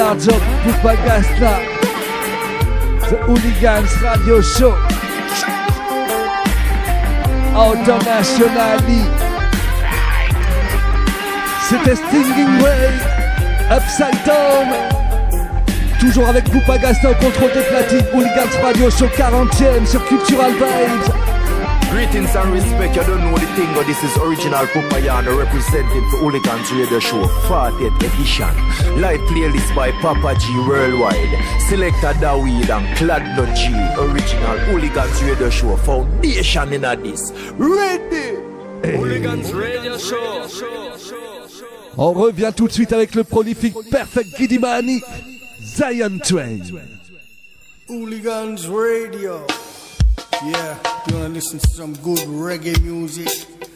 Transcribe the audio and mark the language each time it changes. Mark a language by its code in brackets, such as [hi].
[en] large up pour pas gasta. The Hooligans Radio Show. Internationally. [fr] C'était Stinging Way, Upside Down. Toujours avec Poupa Gasta au contrôle des platines. Hooligans Radio Show 40ème sur Cultural Vibes. [en] Greetings and respect, you don't know the thing, but this is original Poupa Yana representing the Hooligans Radio Show 40th edition. Live playlist by Papa G Worldwide. Selector Daweed and Cladno G. Original Hooligans Radio Show foundation in a this. Ready! Hooligans Radio Show. [fr] On revient tout de suite avec le prolifique Perfect Giddy Mani, Zion Train. [en] Hooligans Radio. Yeah, you wanna listen to some good reggae music?